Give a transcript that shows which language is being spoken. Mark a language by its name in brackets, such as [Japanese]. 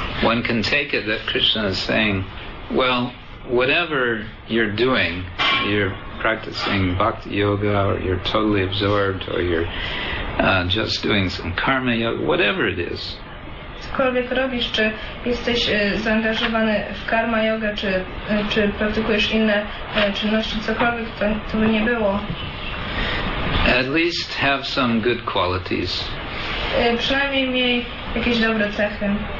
[English] One can take it that Krishna is saying, well, whatever you're doing, you're practicing bhakti yoga, or you're totally absorbed, or you're just doing some karma yoga, whatever it is. [Polish] Cokolwiek robisz, czy jesteś zaangażowany w karma yoga, czy praktykujesz inne czynności, cokolwiek to by nie było. [English] At least have some good qualities. [Polish] Przynajmniej miej jakieś dobre cechy.